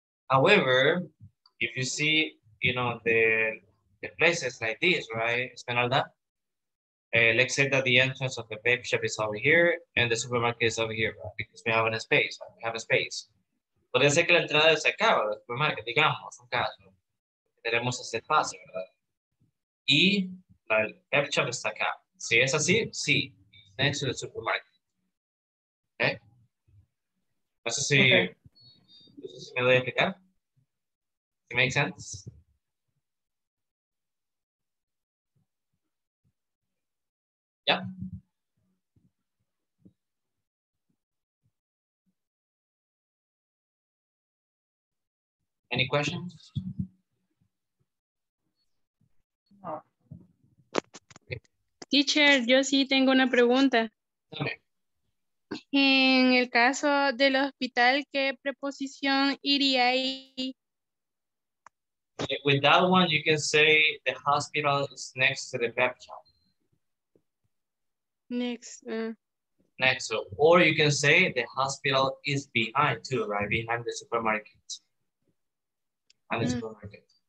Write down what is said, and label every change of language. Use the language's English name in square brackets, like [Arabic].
[English] However, if you see, you know, the places like this, right? Esmeralda. Let's say that the entrance of the baby shop is over here and the supermarket is over here, right? Because we have a space. [Spanish] Podría ser que la entrada se acaba del supermarket, digamos, un caso. Tenemos ese espacio, ¿verdad? Y la baby shop está acá. Si es así, sí. [English] Next to the supermarket. [Spanish] ¿Ok? No sé si, okay. No sé si me lo voy a explicar. ¿Sí me hace sentido? [English] Yeah. Any questions? No. [Spanish] Teacher, yo sí tengo una pregunta. [English] Okay. [Spanish] En el caso del hospital, ¿qué preposición iría ahí? [English] With that one, you can say the hospital is next to the bathroom. Next. Or you can say the hospital is behind too, right? Behind the supermarket. And the supermarket.